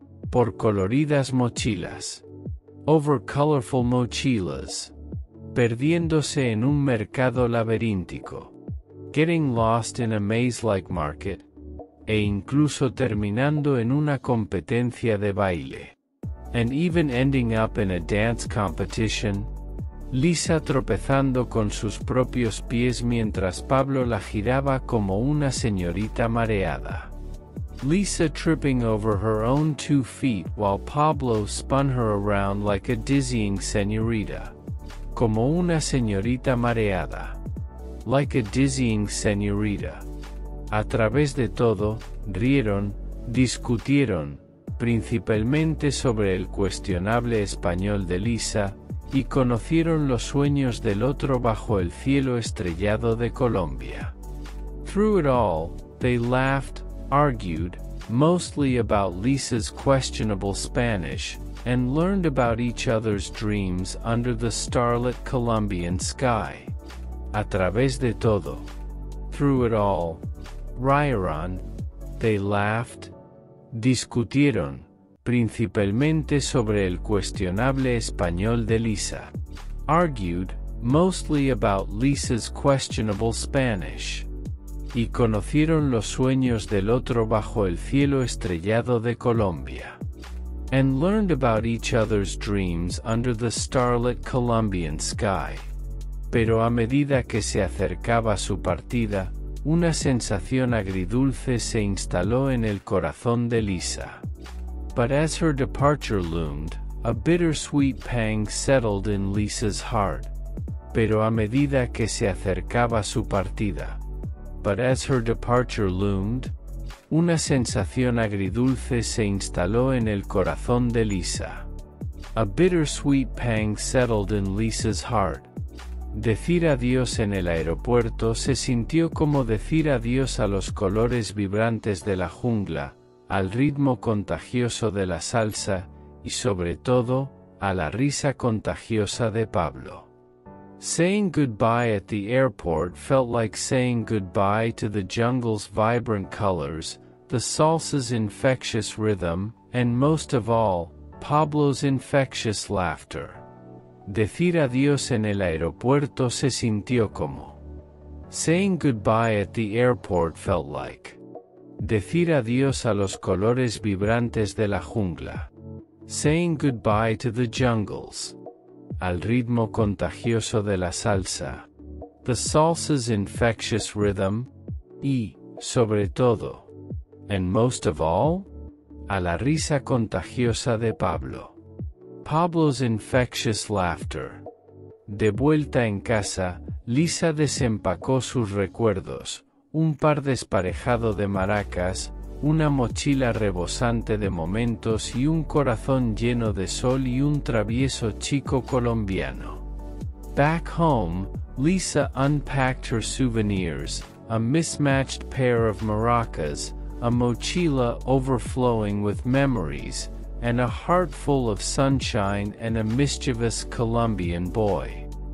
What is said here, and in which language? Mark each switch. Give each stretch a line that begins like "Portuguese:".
Spanish: Por coloridas mochilas.
English: Over colorful mochilas.
Spanish: Perdiéndose en un mercado laberíntico.
English: Getting lost in a maze-like market.
Spanish: E incluso terminando en una competencia de baile.
English: And even ending up in a dance competition.
Spanish: Lisa tropezando con sus propios pies mientras Pablo la giraba como una señorita mareada.
English: Lisa tripping over her own 2 feet while Pablo spun her around like a dizzying señorita.
Spanish: Como una señorita mareada.
English: Like a dizzying señorita.
Spanish: A través de todo, rieron, discutieron, principalmente sobre el cuestionable español de Lisa, y conocieron los sueños del otro bajo el cielo estrellado de Colombia.
English: Through it all, they laughed, argued, mostly about Lisa's questionable Spanish, and learned about each other's dreams under the starlit Colombian sky.
Spanish: A través de todo.
English: Through it all.
Spanish: Rieron.
English: They laughed.
Spanish: Discutieron. Principalmente sobre el cuestionable español de Lisa.
English: Argued, mostly about Lisa's questionable Spanish.
Spanish: Y conocieron los sueños del otro bajo el cielo estrellado de Colombia.
English: And learned about each other's dreams under the starlit Colombian sky.
Spanish: Pero a medida que se acercaba su partida, una sensación agridulce se instaló en el corazón de Lisa.
English: But as her departure loomed, a bittersweet pang settled in Lisa's heart.
Spanish: Pero a medida que se acercaba su partida.
English: But as her departure loomed,
Spanish: Una sensación agridulce se instaló en el corazón de Lisa.
English: A bittersweet pang settled in Lisa's heart.
Spanish: Decir adiós en el aeropuerto se sintió como decir adiós a los colores vibrantes de la jungla, al ritmo contagioso de la salsa, y sobre todo, a la risa contagiosa de Pablo.
English: Saying goodbye at the airport felt like saying goodbye to the jungle's vibrant colors, the salsa's infectious rhythm, and most of all, Pablo's infectious laughter.
Spanish: Decir adiós en el aeropuerto se sintió como.
English: Saying goodbye at the airport felt like.
Spanish: Decir adiós a los colores vibrantes de la jungla.
English: Saying goodbye to the jungles.
Spanish: Al ritmo contagioso de la salsa.
English: The salsa's infectious rhythm.
Spanish: Y, sobre todo.
English: And most of all.
Spanish: A la risa contagiosa de Pablo.
English: Pablo's infectious laughter.
Spanish: De vuelta en casa, Lisa desempacó sus recuerdos, un par desparejado de maracas, una mochila rebosante de momentos y un corazón lleno de sol y un travieso chico colombiano.
English: Back home, Lisa unpacked her souvenirs, a mismatched pair of maracas, a mochila overflowing with memories, and a heart full of sunshine and a mischievous Colombian boy.